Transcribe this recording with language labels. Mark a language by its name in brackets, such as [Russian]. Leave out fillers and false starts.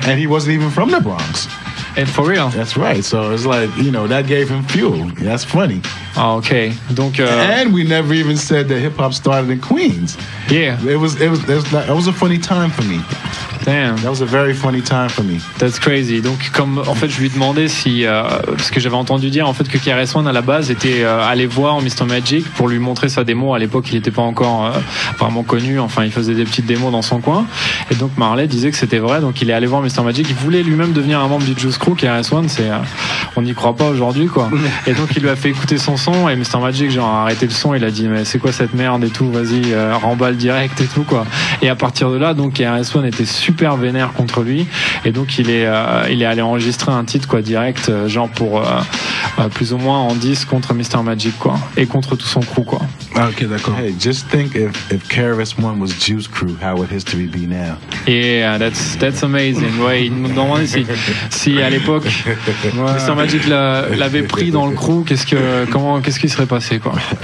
[English] And he wasn't even from the Bronx. And for real. That's right. So it's like, you know, that gave him fuel. That's funny. Okay. Donc, and we never even said that hip hop started in Queens. Yeah. It was a funny time for me. Damn. That was a very funny time for me. That's crazy. [French] Donc, comme en fait, je lui demandais si. Parce que j'avais entendu dire en fait que KRS-One à la base était allé voir Mr. Magic pour lui montrer sa démo. À l'époque, il n'était pas encore vraiment connu. Enfin, il faisait des petites démos dans son coin. Et donc, Marley disait que c'était vrai. Donc, il est allé voir Mr. Magic. Il voulait lui-même devenir un membre du Juice Crew. KRS-One, on n'y croit pas aujourd'hui, quoi. Et donc, il lui a fait écouter son son. Et Mr. Magic, genre, a arrêté le son. Il a dit, mais c'est quoi cette merde et tout. Vas-y, remballe direct et tout, quoi. Et à partir de là, donc, KRS-One était super. super vénère contre lui, et donc il est allé enregistrer un titre quoi direct, genre pour plus ou moins en 10 contre Mr Magic quoi, et contre tout son crew quoi. Ah, ok, d'accord. [English] Hey, just think if KRS-One was Juice Crew, how would history be now? Yeah, that's amazing. [French] Ouais, il nous demande si à l'époque Mr Magic l'avait pris dans le crew, qu'est-ce qui serait passé quoi?